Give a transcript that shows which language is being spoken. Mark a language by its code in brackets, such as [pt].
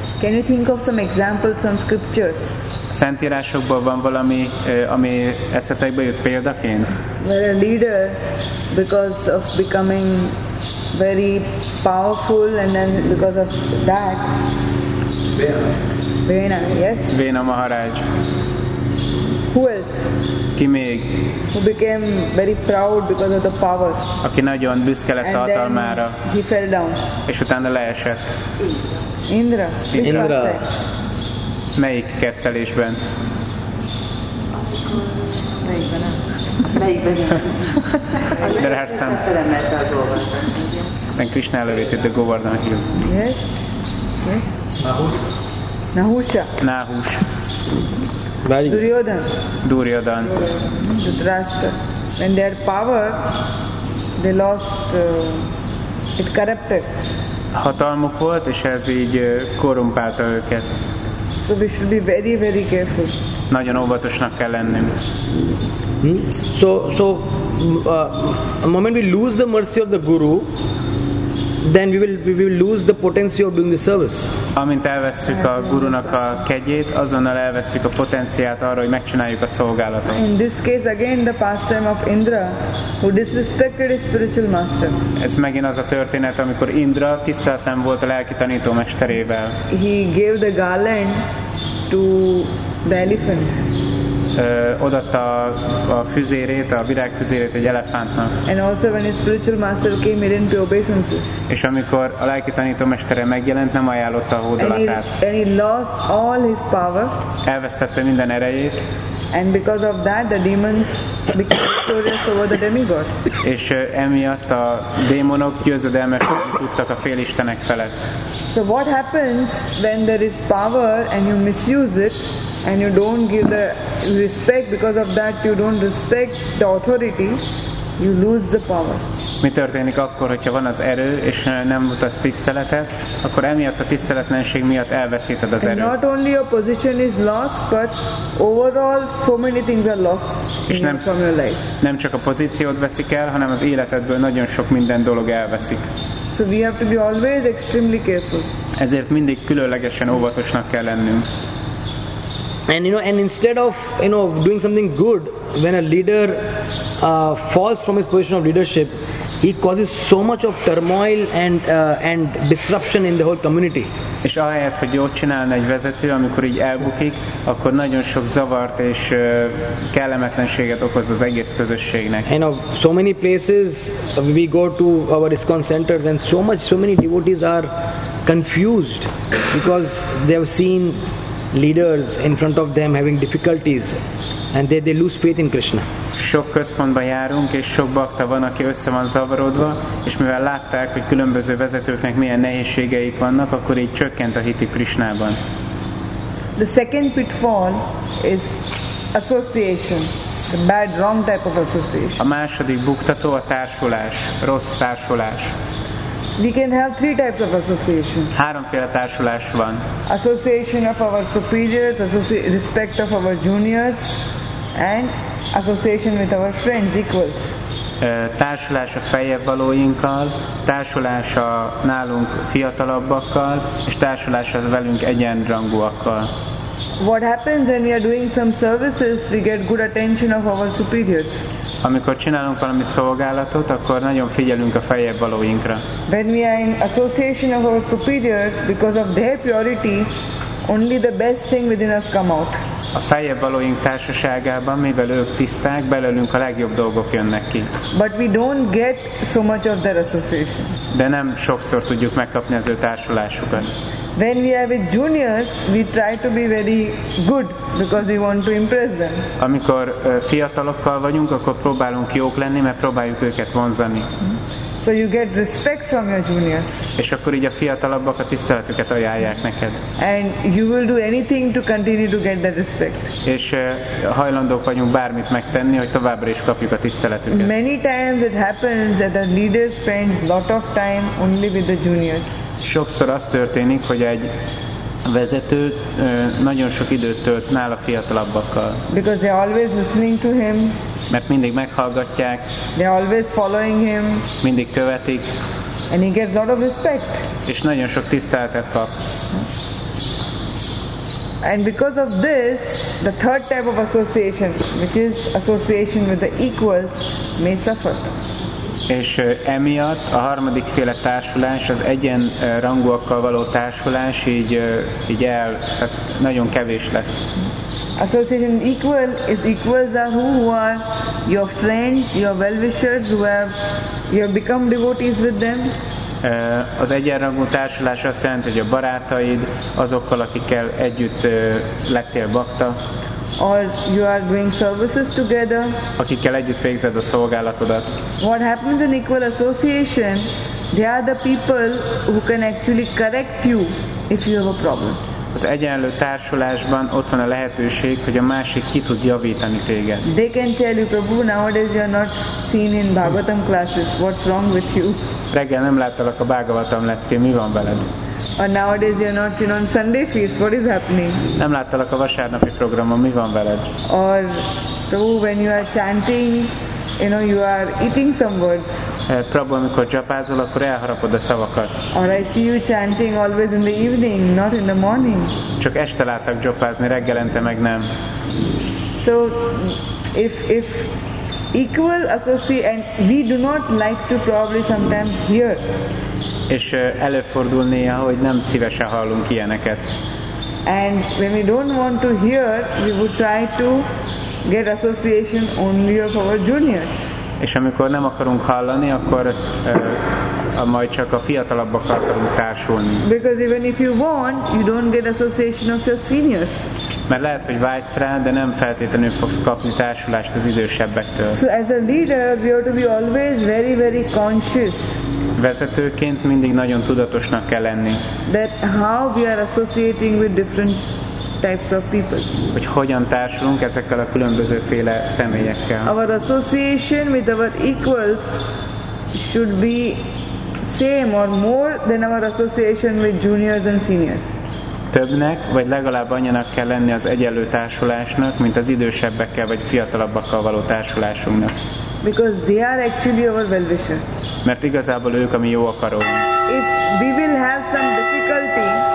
[en] Can you think of some examples from scriptures? [hu] Szentírásokban van valami, ami eszetekbe jut példaként? [en] Well, a leader, because of becoming very powerful, and then because of that, Véna, yes? Véna Maharaj. Who else? [hu] Ki még? [en] Who became very proud because of the power. [hu] Aki nagyon büszke lett a hatalmára. [en] He fell down. [hu] És utána leesett. Indra. Indra. Melyik kettelésben? Melyikben? Melyikben? Krishna elővéti, de Govardhan hív. [en] Yes. Yes. Nahusha. Nahusha. Duryodhan. Duryodhan. Dhritarashtra. When they had power, they lost, it corrupted. [hu] Hatalmuk volt, és ez így korrumpálta őket. [en] So we should be very, very careful. [hu] Nagyon óvatosnak kell lennünk. [en] So, a moment we lose the mercy of the guru, then we will lose the potency of doing the service. [hu] Amint elvesszük a gurunak a kegyét, azonnal elvesszük a potenciát arra, hogy megcsináljuk a szolgálatot. [en] In this case again the pastime of Indra, who disrespected his spiritual master. [hu] Ez megint az a történet, amikor Indra tiszteletlen volt a lelki tanító mesterével. [en] He gave the garland to the elephant. [hu] Odaadta a füzérét, a virágfüzérét egy elefántnak. [en] And also when his spiritual master came, he didn't pay obeisances. [hu] És amikor a lelki tanító mestere megjelent, nem ajánlotta a hódolatát. [en] And he lost all his power. [hu] Elvesztette minden erejét. [en] And because of that, the demons became victorious over the demigods. [hu] És emiatt a démonok győzedelmesen tudtak a félistenek felett. [en] So what happens when there is power and you misuse it? And you don't give the respect, because of that you don't respect the authority, you lose the power. [hu] Mi történik akkor, hogyha van az erő, és nem mutatsz tiszteletet, akkor emiatt a tiszteletlenség miatt elveszíted az erőt. [en] And not only your position is lost, but overall so many things are lost from your life. [hu] Nem csak a pozíciót veszik el, hanem az életedből nagyon sok minden dolog elveszik. [en] So we have to be always extremely careful. [hu] Ezért mindig különlegesen óvatosnak kell lennünk. [en] And you know, and instead of you know doing something good, when a leader falls from his position of leadership, he causes so much of turmoil and disruption in the whole community. [hu] És ahelyett, hogy jót csinálna egy vezető, amikor így elbukik, akkor nagyon sok zavart és kellemetlenséget okoz az egész közösségnek. [en] You know, so many places we go to our ISKCON centers, and so many devotees are confused because they have seen leaders in front of them having difficulties, and they lose faith in Krishna. [hu] Sok központban járunk, és sok bakta van, aki össze van zavarodva, és mivel látták, hogy különböző vezetőknek milyen nehézségeik vannak, akkor így csökkent a hitük Krishnában. [en] The second pitfall is association, the bad, wrong type of association. [hu] A második buktató a társulás, rossz társulás. [en] We can have three types of association. [hu] Háromféle társulás van. [en] Association of our superiors, respect of our juniors, and association with our friends, equals. [hu] Társulás a feljebb valóinkkal, társulás a nálunk fiatalabbakkal, és társulás az velünk egyenrangúakkal. [en] What happens when we are doing some services, we get good attention of our superiors. [hu] Amikor csinálunk valami szolgálatot, akkor nagyon figyelünk a feljebb valóinkra. [en] When we are in association of our superiors, because of their purity, only the best thing within us come out. [hu] A feljebb valóink társaságában, mivel ők tiszták, belőlünk a legjobb dolgok jönnek ki. [en] But we don't get so much of their association. [hu] De nem sokszor tudjuk megkapni az ő társulásukat. [en] When we are with juniors, we try to be very good because we want to impress them. [hu] Amikor fiatalokkal vagyunk, akkor próbálunk jók lenni, mert próbáljuk őket vonzani. [en] So you get respect from your juniors. [hu] És akkor így a fiatalabbak a tiszteletüket ajánlják neked. [en] And you will do anything to continue to get that respect. [hu] És hajlandók vagyunk bármit megtenni, hogy továbbra is kapjuk a tiszteletüket. [en] Many times it happens that the leader spends lot of time only with the juniors. [hu] Sokszor az történik, hogy egy vezető nagyon sok időt tölt nála fiatalabbakkal. [en] Because they are always listening to him. [hu] Mert mindig meghallgatják. [en] They are always following him. [hu] Mindig követik. [en] And he gets a lot of respect. [hu] És nagyon sok tiszteletet kap. [en] And because of this, the third type of association, which is association with the equals, may suffer. [hu] És emiatt a harmadik féle társulás, az egyen rangúakkal való társulás így el, tehát nagyon kevés lesz. [en] Association equal is equals are who are your friends, your well-wishers, who have you have become devotees with them. [hu] Az egyenrangú társulás azt jelenti, hogy a barátaid, azokkal, akikkel együtt lettél bakta, [en] or you are doing services together, [hu] akikkel együtt végzed a szolgálatodat. [en] What happens in equal association, they are the people who can actually correct you if you have a problem. [hu] Az egyenlő társulásban ott van a lehetőség, hogy a másik ki tud javítani téged. [en] They can tell you, Prabhu, nowadays you are not seen in Bhagavatam classes. What's wrong with you? [hu] Reggel nem láttalak a Bhagavatam leckén, mi van veled? [en] Or nowadays you are not seen on Sunday feast. What is happening? [hu] Nem láttalak a vasárnapi programon, mi van veled? [en] Or Prabhu, when you are chanting, you know, you are eating some words. [hu] Prabhu, amikor japázol, akkor elharapod a szavakat. [en] Or I see you chanting always in the evening, not in the morning. [hu] Csak este látlak japázni, reggelente meg nem. [en] So, if equal associate, and we do not like to probably sometimes hear. [hu] És előfordul néha, hogy nem szívesen hallunk ilyeneket. [en] And when we don't want to hear, we would try to get association only of our juniors. [hu] És amikor nem akarunk hallani, akkor majd csak a fiatalabbakkal akarunk társulni. [en] Because even if you want, you don't get association of your seniors. [hu] Mert lehet, hogy vágysz rá, de nem feltétlenül fogsz kapni társulást az idősebbektől. [en] So as a leader, we have to be always very, very conscious. [hu] Vezetőként mindig nagyon tudatosnak kell lenni. [en] That how we are associating with different types of people. [hu] Hogy hogyan társulunk ezekkel a különböző féle személyekkel. [en] Our association with our equals should be same or more than our association with juniors and seniors. [hu] Többnek, vagy legalább annyinak kell lenni az egyenlő társulásnak, mint az idősebbekkel vagy fiatalabbakkal való társulásunknak. [en] Because they are actually our well-wisher. [hu] Mert igazából ők a mi jó akaróink. [en] If we will have some difficulty,